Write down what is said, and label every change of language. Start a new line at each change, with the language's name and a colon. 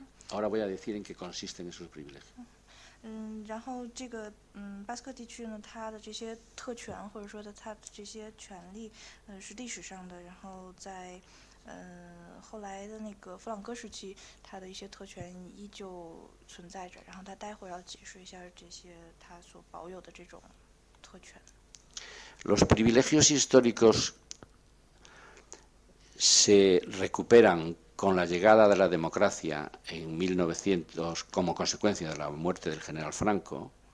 Spanish: Ahora voy a decir en qué consisten esos privilegios.
Chinese: 然后这个巴斯克地区呢，它的这些特权或者说的它的这些权利，是历史上的。然后在后来的那个弗朗哥时期，它的一些特权依旧存在着。然后他待会儿要解释一下这些他所保有的这种特权。
Spanish: Los privilegios históricos se recuperan con la llegada de la democracia en 1900, como consecuencia de la muerte del general Franco.